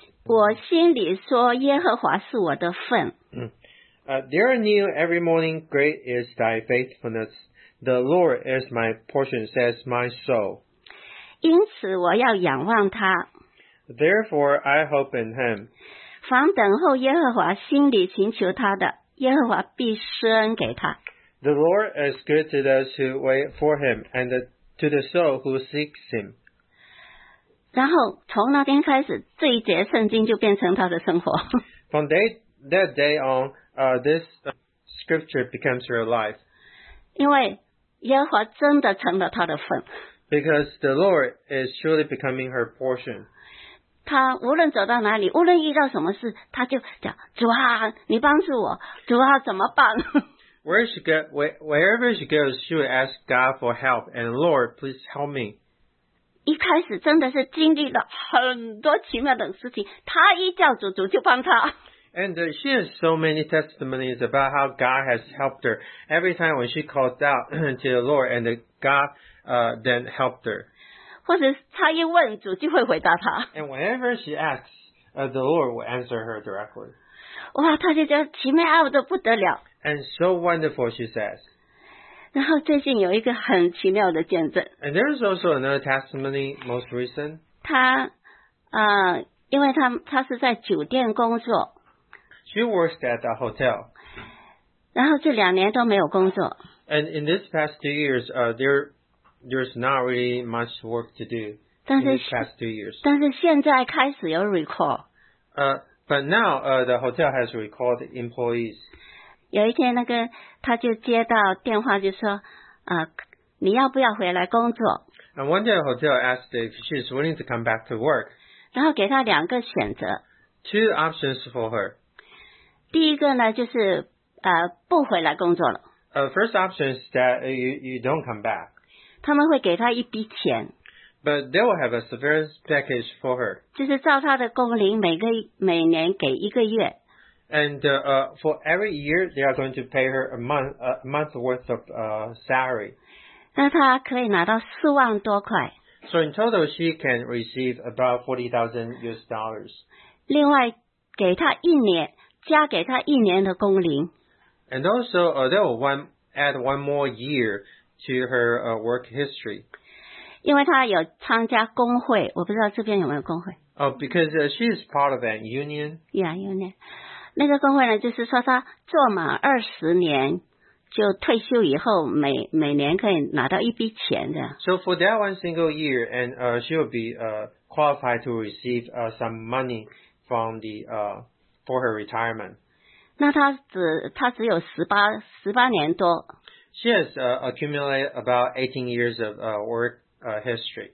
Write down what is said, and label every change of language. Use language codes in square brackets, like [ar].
[zh] 我心里说耶和华是我的份。 [en] There are new every morning, great is thy faithfulness. The Lord is my portion, says my soul. [zh] 因此我要仰望他。 [en] Therefore, I hope in him. [zh] 凡等候耶和华心里寻求他的，耶和华必施恩给他。 [en] The Lord is good to those who wait for him, and to the soul who seeks him. [zh] 然后从那天开始，这一节圣经就变成他的生活。 [en] From that day on, this scripture becomes real life. [zh] 因为耶和华真的成了他的份。 [en] Because the Lord is truly becoming her portion. [zh] 他无论走到哪里，无论遇到什么事，他就讲，主啊，你帮助我，主啊，怎么办？ [en] Wherever she goes, she will ask God for help, and Lord, please help me. [zh] 一开始真的是经历了很多奇妙的事情，他一叫主，主就帮他。 [en] And she has so many testimonies about how God has helped her. Every time when she calls out to the Lord, and God then helped her. [zh] 或者她一问，主就会回答她。 [en] And whenever she asks, the Lord will answer her directly. [zh] 哇，她就觉得奇妙的不得了。 [en] And so wonderful, she says. [zh] 然后最近有一个很奇妙的见证。 [en] And there is also another testimony, most recent. [zh] 她因为她是在酒店工作。 [en] She works at a hotel. [zh] 然后这两年都没有工作。 [en] And in this past 2 years, there's not really much work to do in this past 2 years. [zh] 但是现在开始有 recall. [en] But now, the hotel has recalled employees. [zh] 有一天那个他就接到电话就说，你要不要回来工作？ [en] And one day the hotel asked if she's willing to come back to work. [zh] 然后给他两个选择。 [en] Two options for her. [zh] 第一个呢，就是不回来工作了。 [en] First option is that you don't come back. [zh] 他们会给他一笔钱。 [en] But they will have a severance package for her. [zh] 就是照他的工龄，每年给一个月。 [en] And for every year, they are going to pay her a month worth of salary. [zh] 那他可以拿到四万多块。 [en] So in total, she can receive about $40,000. [zh] 另外给他一年。加给他一年的工龄。 [en] And also, they will add one more year to her work history. [zh] 因为他有参加工会，我不知道这边有没有工会。 [en] Because she is part of an union. Yeah, union. [zh] 那个工会呢，就是说他做满二十年，就退休以后每年可以拿到一笔钱的。 [en] So for that one single year, and she will be qualified to receive some money from the for her retirement. [zh] 那她只有18年多。 [en] She has accumulated about 18 years of work history.